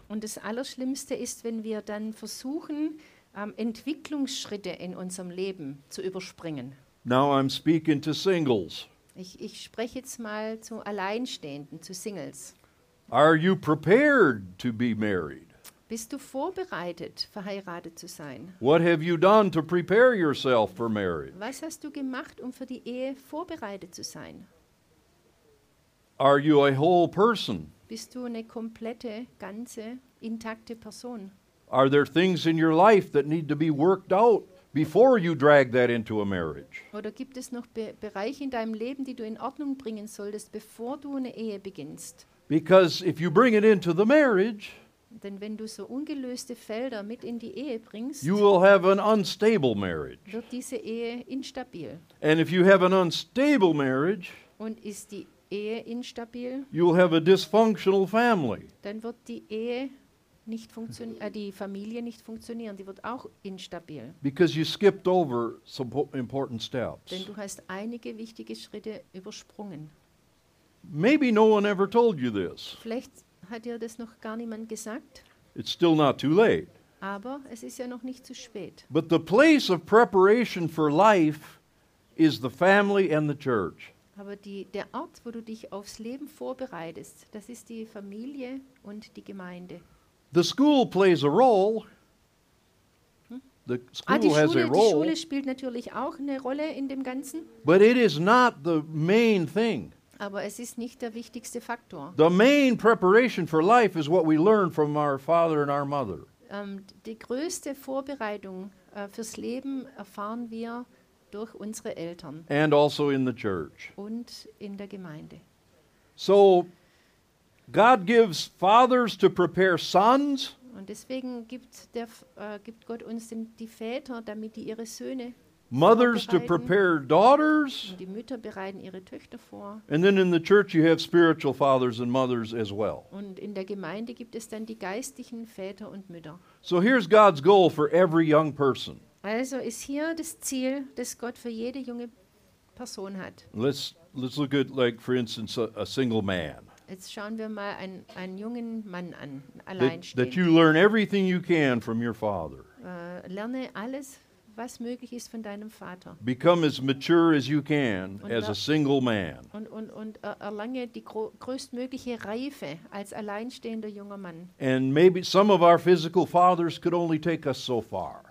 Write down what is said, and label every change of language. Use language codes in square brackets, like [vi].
[de] Und das Allerschlimmste ist, wenn wir dann versuchen, Entwicklungsschritte in unserem Leben zu überspringen. [en] Now I'm speaking to singles. [de] Ich spreche jetzt mal zu Alleinstehenden, zu Singles. [en] Are you prepared to be married? [de] Bist du vorbereitet, verheiratet zu sein? [en] What have you done to prepare yourself for marriage? [de] Was hast du gemacht, um für die Ehe vorbereitet zu sein? [en] Are you a whole person? [de] Bist du eine komplette, ganze, intakte Person? [en] Are there things in your life that need to be worked out before you drag that into a marriage? [de] Oder gibt es noch Bereiche in deinem Leben, die du in Ordnung bringen solltest, bevor du eine Ehe beginnst? [en] Because if you bring it into the marriage, [de] denn wenn du so ungelöste Felder mit in die Ehe bringst, [en] you will have an unstable marriage. [de] Wird diese Ehe instabil. [en] And if you have an unstable marriage, [de] und ist die Ehe instabil, [en] you'll have a dysfunctional family. [de] Dann wird die Ehe nicht die Familie nicht funktionieren, die wird auch instabil. [en] Because you skipped over some important steps. [de] Denn du hast einige wichtige Schritte übersprungen. [en] Maybe no one ever told you this. [de] Vielleicht hat dir das noch gar niemand gesagt. [en] It's still not too late. [de] Aber es ist ja noch nicht zu spät. [en] But the place of preparation for life is the family and the church. [de] Aber der Ort, wo du dich aufs Leben vorbereitest, das ist die Familie und die Gemeinde. [en] The school plays a role. The school has a role. [de] Die Schule spielt natürlich auch eine Rolle in dem Ganzen. [en] But it is not the main thing. [de] Aber es ist nicht der wichtigste Faktor. [en] The main preparation for life is what we learn from our father and our mother. [de] Die größte Vorbereitung fürs Leben erfahren wir durch unsere Eltern. [en] And also in the church. [de] Und in der Gemeinde. [en] So God gives fathers to prepare sons. [de] Und deswegen gibt Gott uns die Väter, damit die ihre Söhne. [en] Mothers to prepare daughters. [de] Und die Mütter bereiten ihre Töchter vor. [en] And then in the church you have spiritual fathers and mothers as well. [de] Und in der Gemeinde gibt es dann die geistlichen Väter und Mütter. [en] So here's God's goal for every young person. [de] Also ist hier das Ziel, das Gott für jede junge Person hat. [en] Let's look at, like, for instance, a single man. [de] Jetzt schauen wir mal einen jungen Mann an, alleinstehend. [en] That you learn everything you can from your father. [de] Lerne alles, was möglich ist, von deinem Vater. [en] Become as mature as you can as a single man. [de] Und erlange die größtmögliche Reife als alleinstehender junger Mann. [en] And maybe some of our physical fathers could only take us so far.